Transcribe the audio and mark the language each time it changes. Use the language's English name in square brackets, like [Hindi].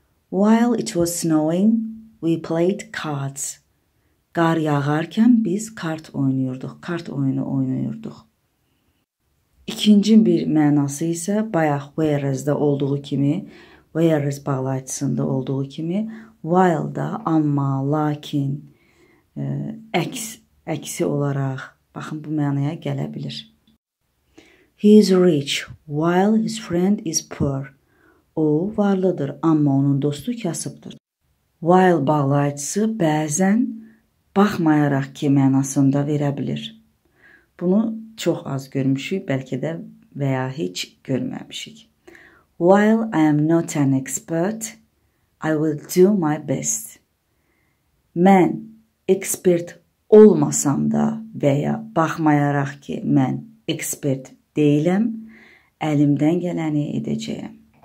[English] While it was snowing, we played cards. [Azerbaijani] Qar yağarkən biz kart oynayırdıq, kart oyunu oynayırdıq. İkinci bir mənası isə bayaq whereas-də olduğu kimi, whereas bağlayıcısında olduğu kimi, while-da amma, lakin, əksi olaraq, baxın bu mənaya gələ bilir. [English] He is rich while his friend is poor. [Azerbaijani] O, varlıdır, amma onun dostu kasıbdır. While bağlayıcısı bəzən baxmayaraq ki, mənasında verə bilir. Bunu çox az görmüşük, bəlkə də və ya heç görməmişik. [English] While I am not an expert, I will do my best. [Azerbaijani] Mən ekspert olmasam da və ya baxmayaraq ki, mən ekspert deyiləm, əlimdən gələni edəcəyəm.